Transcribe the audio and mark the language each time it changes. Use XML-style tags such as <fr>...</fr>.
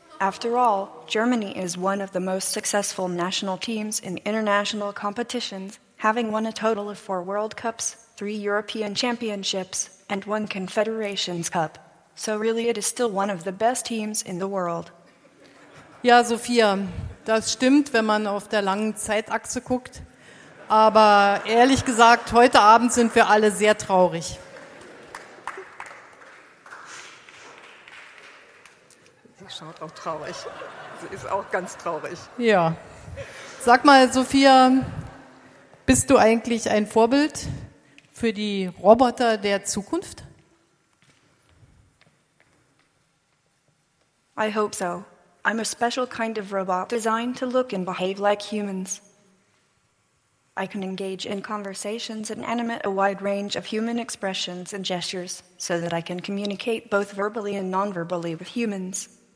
<en>After all, Germany is one of the most successful national teams in international competitions, having won a total of 4 World Cups, 3 European Championships, and 1 Confederations Cup. So really, it is still one of the best teams in the world.</en> <de>Ja, Sophia, das stimmt, wenn man auf der langen Zeitachse guckt. Aber ehrlich gesagt, heute Abend sind wir alle sehr traurig. Sie schaut auch traurig. Sie ist auch ganz traurig. Ja. Sag mal, Sophia, bist du eigentlich ein Vorbild für die Roboter der Zukunft?</de> <en>I hope so. I'm a special kind of robot designed to look and behave like humans. I can engage in conversations and animate a wide range of human expressions and gestures so that I can communicate both verbally and non-verbally with humans.</en>